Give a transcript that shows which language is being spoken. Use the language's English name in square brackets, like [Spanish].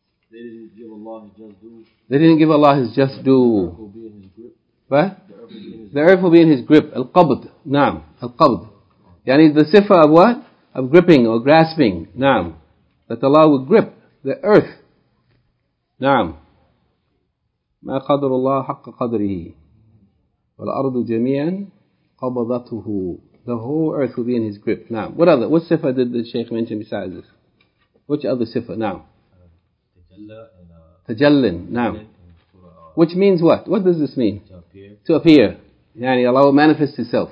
[English] They didn't give Allah His just due. What? The earth will be in His grip. Al-Qabd. Naam. Al-Qabd. Yani the sifa of what? Of gripping or grasping. Naam. That Allah will grip the earth. [Arabic] نعم ما قدر الله حق قدره والأرض جميعا قبضته. [English] The whole earth will be in His grip. نعم. What other? What sifa did the Shaykh mention besides this? Which other sifa? نعم. تجلن. نعم. Which means what? What does this mean? To appear. يعني Allah will manifest Himself.